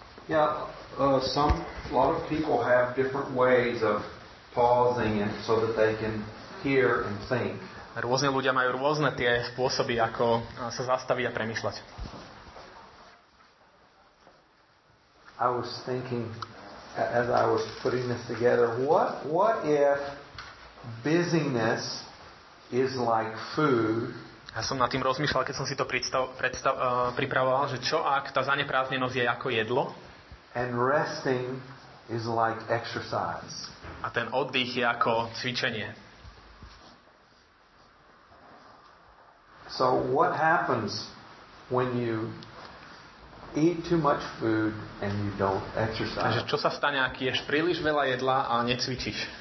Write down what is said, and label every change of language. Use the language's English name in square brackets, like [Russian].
[English] Yeah, a lot of people have different ways of pausing and so that they can hear and think. [Slovak] Rôzne ľudia majú rôzne tie spôsoby, ako sa zastaviť a premýšľať. [English] I was thinking as I was putting this together, what if busyness is like food? [Slovak] Ja som nad tým rozmýšľal, keď som si to pripravoval, že čo ak tá zaneprázdnenosť je ako jedlo? [English] And resting is like exercise. [Slovak] A ten oddych je ako cvičenie. [English] So what happens when you eat too much food and you don't exercise? [Slovak] Takže čo sa stane, ak ješ príliš veľa jedla a necvičíš?